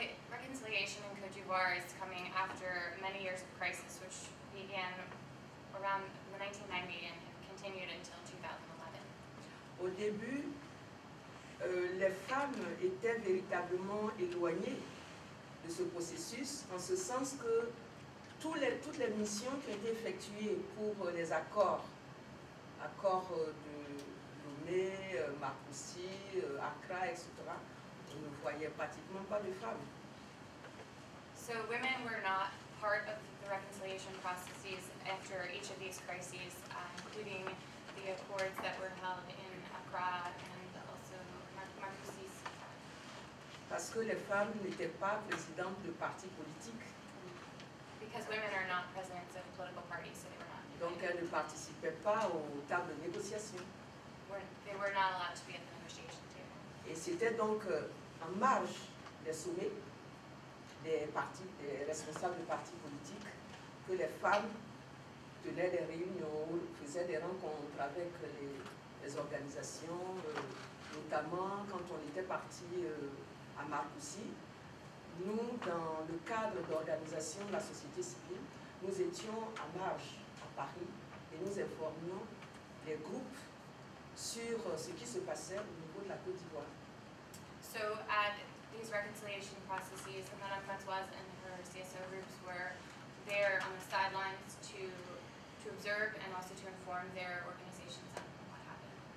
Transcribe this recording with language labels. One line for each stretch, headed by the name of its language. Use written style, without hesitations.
English: Reconciliation in Côte d'Ivoire is coming after many years of crisis, which began around 1990 and continued until 2011.
French: Au début, les femmes étaient véritablement éloignées de ce processus, en ce sens que toutes les missions qui ont été effectuées pour les accords de Lomé, Maputo, Accra, etc., on ne voyait pratiquement pas de femmes.
English: So women were not part of the reconciliation processes after each of these crises, including the accords that were held in Accra and also Marcosis.
French: Parce que les femmes n'étaient pas présidentes de partis politiques.
English: Because women are not presidents of political parties, so they were not.
French: Donc elles ne participaient pas aux tables de négociation.
English: They were not allowed to be at the negotiation table.
French: Et c'était donc en marge des sommets des responsables de partis politiques que les femmes tenaient des réunions, faisaient des rencontres avec les organisations, notamment quand on était parti à Maputo. Nous, dans le cadre d'organisation de la société civile, nous étions à marge à Paris et nous informions les groupes sur ce qui se passait au niveau de la Côte d'Ivoire.
English: So at these reconciliation processes, Madame Francoise and her CSO groups were there on the sidelines to observe and also to inform their organizations on what happened.